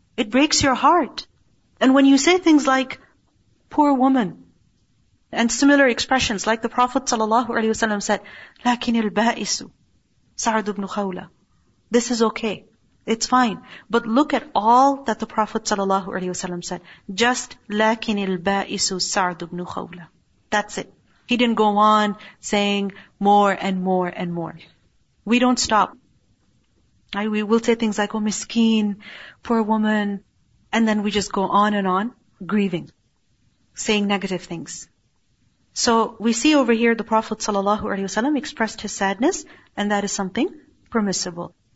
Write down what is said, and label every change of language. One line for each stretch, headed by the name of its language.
English: It breaks your heart. And when you say things like, poor woman, and similar expressions, like the Prophet sallallahu alaihi wasallam said,
Arabic: لكن البائس سعد بن خولة.
English: This is okay. It's fine. But look at all that the Prophet sallallahu alaihi wasallam said.
Arabic: Just, لكن البائس سعد بن خولة.
English: That's it. He didn't go on saying more and more and more. We don't stop. We will say things like, oh, miskeen, poor woman. And then we just go on and on, grieving, saying negative things. So we see over here the Prophet sallallahu alaihi wasallam expressed his sadness, and that is something permissible.